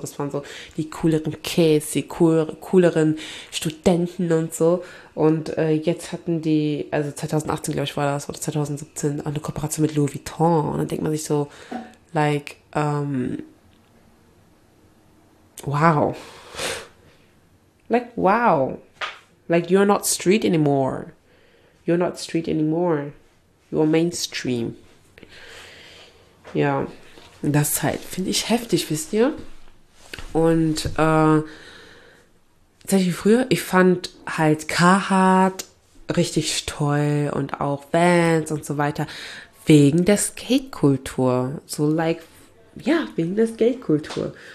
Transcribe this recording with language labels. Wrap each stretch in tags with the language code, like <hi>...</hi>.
<de>Das waren so die cooleren Kids, die cooleren Studenten und so. Und jetzt hatten die, also 2018, glaube ich, war das, oder 2017, eine Kooperation mit Louis Vuitton. Und dann denkt man sich so, like, wow.</de> <en>Like, wow. Like, you're not street anymore. You're not street anymore. You're mainstream. Ja.</en> <de>Das halt, finde ich heftig, wisst ihr? Und, tatsächlich früher, ich fand halt Carhartt richtig toll und auch Vans und so weiter. Wegen der Skate-Kultur. So, like, ja, wegen der Skate-Kultur.</de>